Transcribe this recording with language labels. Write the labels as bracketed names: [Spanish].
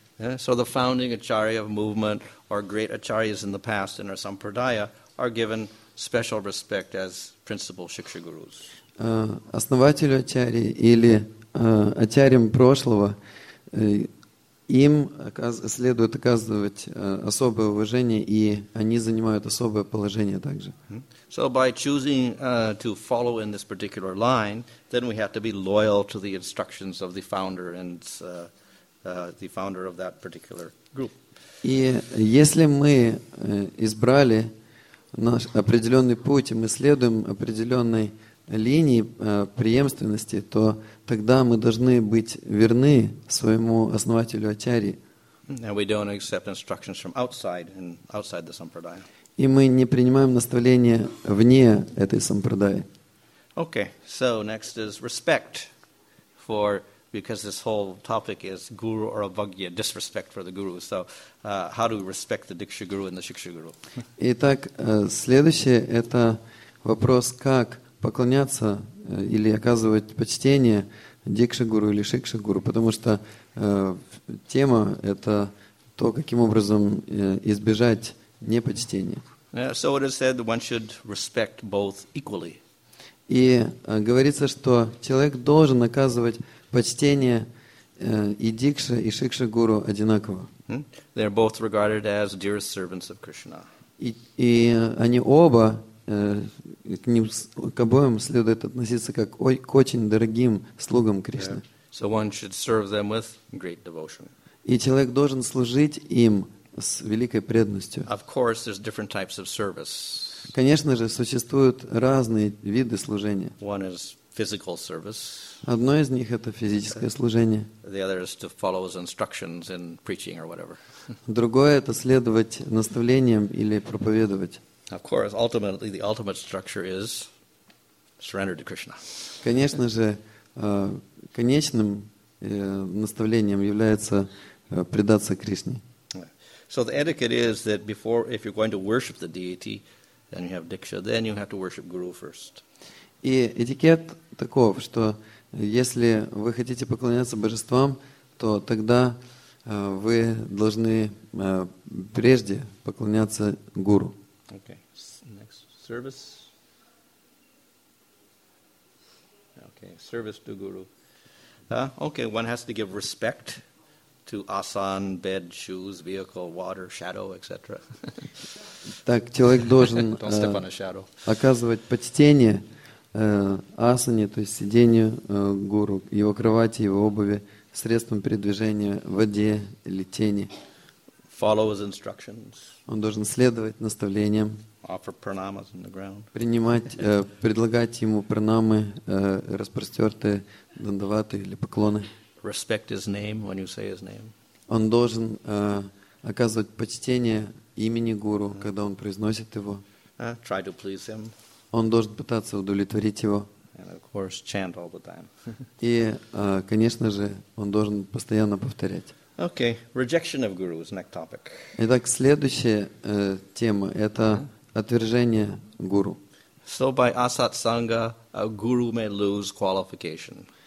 [English] Yeah, so the founding acharya of movement or great acharyas in the past in our sampradaya are given special respect as principal shiksha gurus. [Russian] Основателю ачарьи или ачарьям прошлого им следует оказывать особое уважение, и они занимают особое положение также. [English] So by choosing to follow in this particular line, then we have to be loyal to the instructions of the founder and the founder of that particular group. [Russian] И если мы избрали наш определенный путь, и мы следуем определенной линии преемственности, то тогда мы должны быть верны своему основателю ачарьи. [English] And we don't accept instructions from outside and outside the sampradaya. [Russian] И мы не принимаем наставления вне этой сампрадаи. [English] Okay, so next is respect for. Because this whole topic is guru or avagya, disrespect for the guru. So, how do we respect the diksha guru and the shiksha guru? [Russian] Итак, следующее это вопрос, как поклоняться или оказывать почтение дикша гуру или шикша гуру, потому что тема это то, каким образом избежать непочтения. [English] So it is said that one should respect both equally. [Russian] И говорится, что человек должен оказывать почтение и дикша, и шикша гуру одинаково. [English] They are both regarded as dearest servants of Krishna. [Russian] И они оба, к ним, к обоим следует относиться как к очень дорогим слугам Кришны. [English] Yeah. So one should serve them with great devotion. [Russian] И человек должен служить им с великой преданностью. [English] Of course, there's different types of service. [Russian] Конечно же, существуют разные виды служения. [English] One is physical service. [Russian] Одно из них это физическое служение. [English] The other is to follow his instructions in preaching or whatever. [Russian] Другое это следовать наставлениям или проповедовать. [English] Of course, ultimately the ultimate structure is surrender to Krishna. [Russian] Конечно же, конечным наставлением является предаться Кришне. [English] So the etiquette is that before, if you're going to worship the deity, then you have diksha, then you have to worship guru first. [Russian] И этикет таков, что если вы хотите поклоняться божествам, то тогда вы должны прежде поклоняться гуру. [English] Okay. Next service. Okay, service to guru. Okay, one has to give respect to asan, bed, shoes, vehicle, water, shadow, etc. [Russian] Так человек должен оказывать почтение асане, то есть сидению гуру, его кровати, его обуви, средствам передвижения, воде или тени. [English] Follow his instructions. [Russian] Он должен следовать наставлениям. [English] Offer pranamas on the ground. [Russian] Принимать, предлагать ему пранамы, распростертые, дандаваты или поклоны. [English] Respect his name when you say his name. [Russian] Он должен оказывать почтение имени гуру, когда он произносит его. [English] Try to please him. [Russian] Он должен пытаться удовлетворить его. [English] And of course, chant all the time. [Russian] И, конечно же, он должен постоянно повторять. [English] Okay, rejection of guru is next topic. [Russian] Итак, следующая тема – это отвержение гуру. [English] So by asat sangha, a guru may lose qualification.